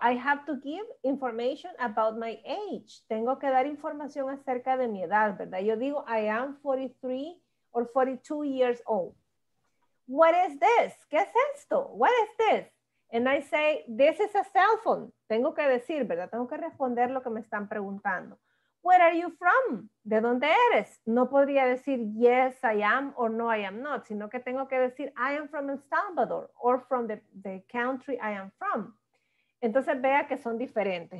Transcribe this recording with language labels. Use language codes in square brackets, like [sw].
[en] I have to give information about my age. [es] Tengo que dar información acerca de mi edad, ¿verdad? Yo digo [en] I am 43 or 42 years old. What is this? [es] ¿Qué es esto? [en] What is this? And I say, this is a cell phone. [es] Tengo que decir, ¿verdad? Tengo que responder lo que me están preguntando. [en] Where are you from? [es] ¿De dónde eres? No podría decir, [en] yes, I am, or no, I am not, [es] sino que tengo que decir, [en] I am from El Salvador, or from the country I am from. [es] Entonces, vea que son diferentes.